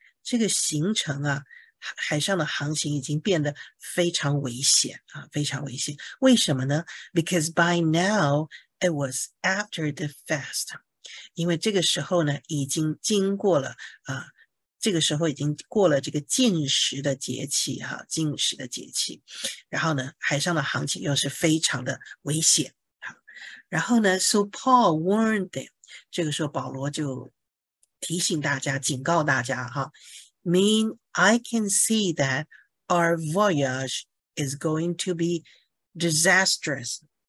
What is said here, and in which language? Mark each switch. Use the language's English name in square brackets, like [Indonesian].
[Chinese] 这个行程啊，海上的航行已经变得非常危险啊，非常危险。为什么呢？ [English] Because by now it was after the fast. [Chinese] 因为这个时候呢，已经经过了啊。这个时候已经过了这个禁食的节气哈，禁食的节气，然后呢，海上的航行又是非常的危险，然后呢， [English] So Paul warned them， [Chinese] 这个时候保罗就提醒大家，警告大家哈， [English] Mean I can see that our voyage is going to be disastrous。